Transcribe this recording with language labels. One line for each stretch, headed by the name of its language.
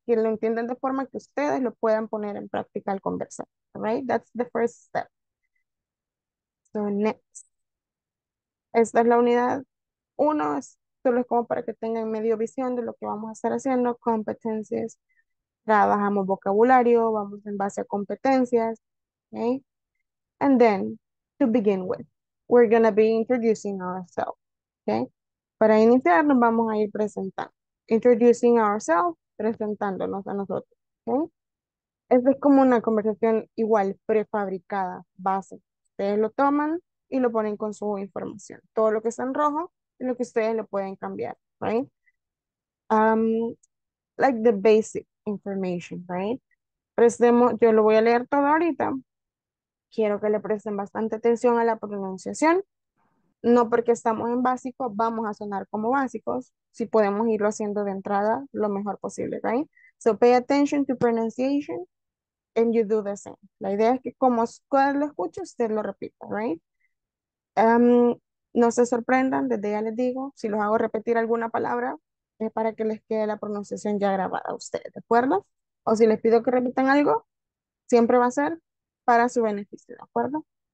Spanish: Que lo entiendan de forma que ustedes lo puedan poner en práctica al conversar, ¿right?
English: That's the first step. So, next.
Spanish: Esta es la unidad 1, solo es como para que tengan medio visión de lo que vamos a estar haciendo, competencias. Trabajamos vocabulario, vamos en base a competencias, okay?
English: And then, to begin with, we're going to be introducing ourselves, okay?
Spanish: Para iniciar, nos vamos a ir presentando.
English: Introducing ourselves,
Spanish: presentándonos a nosotros, okay? Esta es como una conversación igual, prefabricada, base. Ustedes lo toman y lo ponen con su información. Todo lo que está en rojo es lo que ustedes lo pueden cambiar, right?
English: Like the basic information, right?
Spanish: Prestemos, yo lo voy a leer todo ahorita. Quiero que le presten bastante atención a la pronunciación. No porque estamos en básico, vamos a sonar como básicos. Si podemos irlo haciendo de entrada, lo mejor posible, right?
English: So pay attention to pronunciation and you do the same.
Spanish: La idea es que como usted lo escuche, usted lo repita, right? No se sorprendan, desde ya les digo, si los hago repetir alguna palabra, es para que les quede la pronunciación ya grabada a ustedes, ¿de acuerdo? O si les pido que repitan algo, siempre va a ser para su beneficio, ¿de acuerdo?